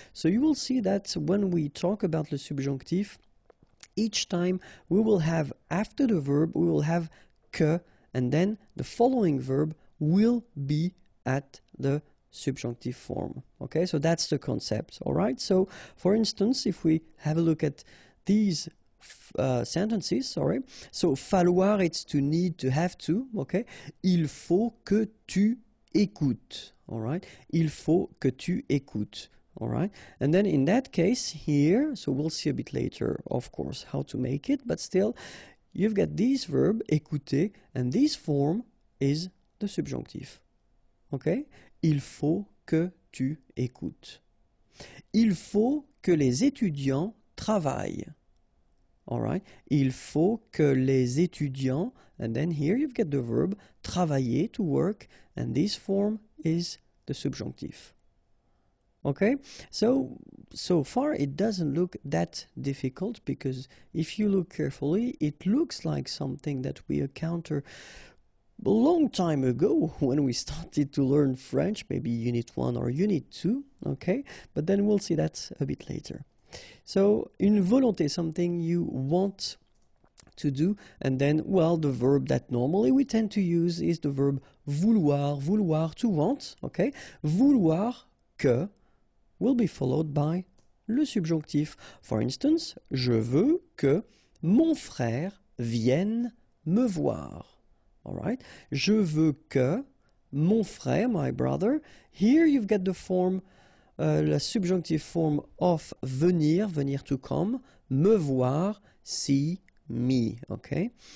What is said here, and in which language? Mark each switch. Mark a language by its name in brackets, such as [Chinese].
[English] So you will see that when we talk about le subjonctif, each time we will have after the verb, we will have que, and then the following verb will be at the subjonctive form. Okay, so that's the concept. All right, so for instance, if we have a look at these sentences, sorry. So, falloir, it's to need, to have to, okay? [French] Il faut que tu écoutes, [English] all right? [French] Il faut que tu écoutes, [English] all right? And then in that case here, so we'll see a bit later, of course, how to make it, but still, you've got this verb, écouter, and this form is the subjonctif, okay? [French] Il faut que tu écoutes. Il faut que les étudiants travaillent. [English] All right. [French] Il faut que les étudiants, [English] and then here you've got the verb travailler, to work, and this form is the subjonctif. Okay, so far it doesn't look that difficult, because if you look carefully, it looks like something that we encounter a long time ago when we started to learn French, maybe unit 1 or unit 2, okay, but then we'll see that a bit later. So, [French] une volonté, [English] something you want to do, and then, well, the verb that normally we tend to use is the verb vouloir, vouloir, to want, okay? Vouloir que will be followed by le subjonctif. For instance, [French] je veux que mon frère vienne me voir, [English] all right? [French] Je veux que mon frère, [English] my brother, here you've got the form, la subjonctive form of venir, venir to come, [French] me voir, [English] see me, okay?